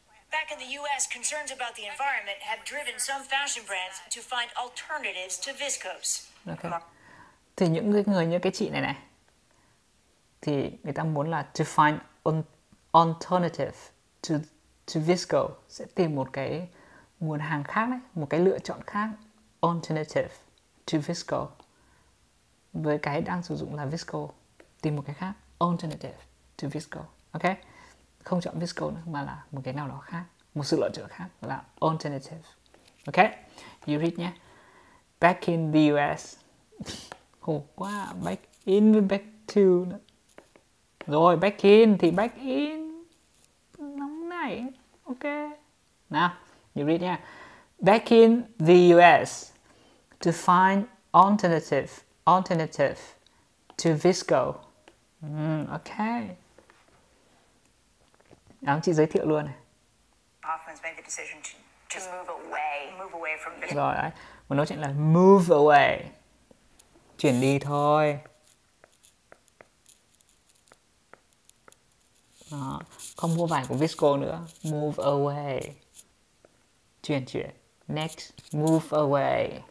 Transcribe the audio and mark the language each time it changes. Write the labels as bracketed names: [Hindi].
[English] Back in the US, concerns about the environment have driven some fashion brands to find alternatives to viscose. Okay. [Vietnamese] Thì những người như cái chị này này thì người ta muốn là [English] to find an alternative to viscose, [Vietnamese] sẽ tìm một cái nguồn hàng khác đấy, một cái lựa chọn khác, alternative to viscose, với cái đang sử dụng là viscose, tìm một cái khác, alternative to viscose. Ok, không chọn viscose nữa mà là một cái nào đó khác, một sự lựa chọn khác là alternative. [English] Ok, you read nhé. Back in the US. [Vietnamese] Khổ quá, [English] back in, back to. [Vietnamese] Rồi, back in thì back in. Nóng này, [English] ok. Now, you read nhé. Back in the US to find alternative to Visco. Ok. [Vietnamese] Đó, chị giới thiệu luôn này. [English] Hoffman's made the decision to move away from Visco. [Vietnamese] Rồi đấy, mình nói chuyện là [English] move away. [Vietnamese] Chuyển đi thôi. Đó, không mua vải của Visco nữa. [English] Move away. [Vietnamese] Chuyển. [English] Next, move away.